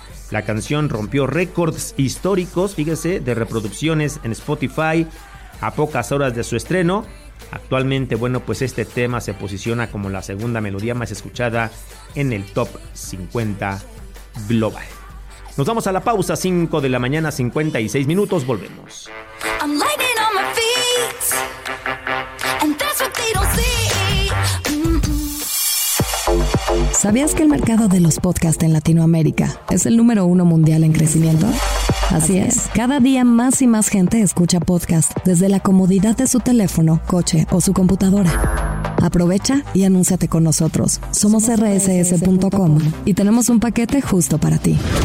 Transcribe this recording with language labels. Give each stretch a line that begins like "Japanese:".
Spanish: La canción rompió récords históricos, fíjese, de reproducciones en Spotify a pocas horas de su estreno, Actualmente, bueno, pues este tema se posiciona como la segunda melodía más escuchada en el Top 50 global. Nos vamos a la pausa, 5 de la mañana, 56 minutos, volvemos.
English: I'm lightning on my feet, and that's what they don't see.
Spanish: ¿Sabías que el mercado de los podcasts en Latinoamérica es el número uno mundial en crecimiento? Así es. Cada día más y más gente escucha podcast desde la comodidad de su teléfono, coche o su computadora. Aprovecha y anúnciate con nosotros. Somos rss.com y tenemos un paquete justo para ti.